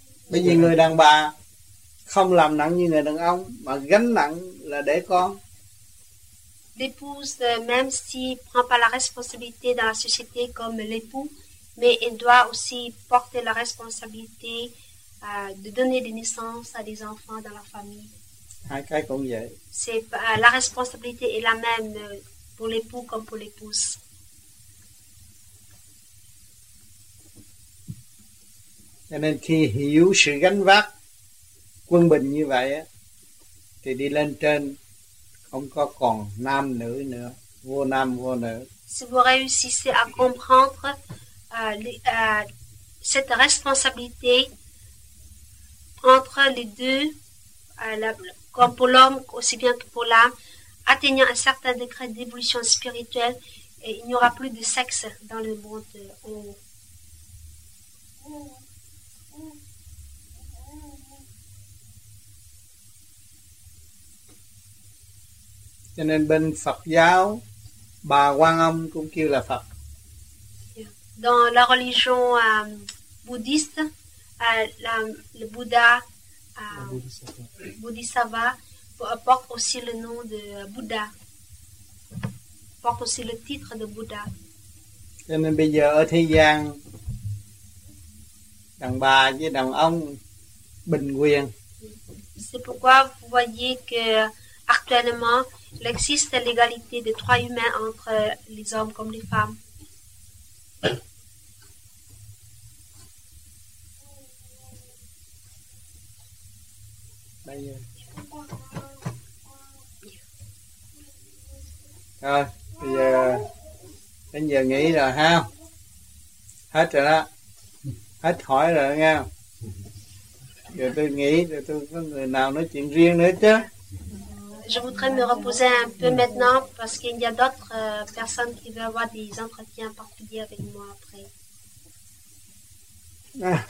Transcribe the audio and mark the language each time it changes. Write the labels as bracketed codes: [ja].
[vi] Bởi vì người đàn bà không làm nặng như người đàn ông, mà gánh nặng là để con. [fr] L'épouse, même s'il ne prend pas la responsabilité dans la société comme l'époux, mais elle doit aussi porter la responsabilité de donner des naissances à des enfants dans la famille. C'est, la responsabilité est la même pour l'époux comme pour l'épouse. [vi] Cho nên khi hiểu sự gánh vác quân bình như vậy, thì đi lên trên không có còn nam nữ nữa, vô nam vô nữ. [fr] Si vous réussissez à comprendre cette responsabilité entre les deux, comme pour l'homme aussi bien que pour l'âme, atteignant un certain degré d'évolution spirituelle, et il n'y aura plus de sexe dans le monde en haut. [vi] Cho nên bên Phật giáo, bà Quan Âm cũng kêu là Phật. [fr] Dans la religion bouddhiste, le Bouddha, Bodhisattva, porte aussi le nom de Bouddha, porte aussi le titre de Bouddha. [vi] Cho nên bây giờ ở thế gian, đàn bà với đàn ông bình quyền. [fr] C'est pourquoi vous voyez que actuellement il existe l'égalité des droits humains entre les hommes comme les femmes. [vi] Bây giờ. Rồi, bây giờ nghỉ rồi ha. Hết rồi đó. Hết hỏi rồi nghe. Giờ tôi nghỉ rồi tôi có người nào nói chuyện riêng nữa chứ. [fr] Je voudrais me reposer un peu maintenant parce qu'il y a d'autres personnes qui veulent avoir des entretiens particuliers avec moi après.